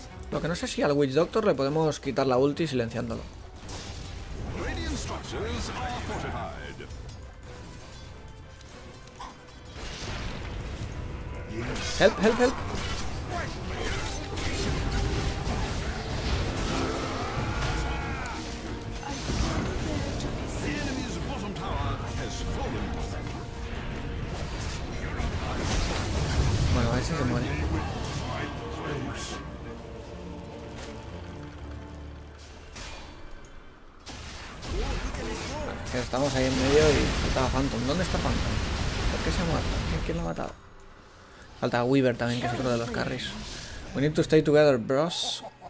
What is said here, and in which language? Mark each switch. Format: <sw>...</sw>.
<es>Lo que no sé si al Witch Doctor le podemos quitar la ulti silenciándolo.</es> <en>structures are fortified. Help, help, help. The enemy's bottom tower has fallen.</en> <es>Bueno, ese se muere. Estamos ahí en medio y faltaba Phantom. ¿Dónde está Phantom? ¿Por qué se ha muerto? ¿Quién lo ha matado? Falta Weaver también, que es otro de los carries.</es> <en>We need to stay together, bros.</en>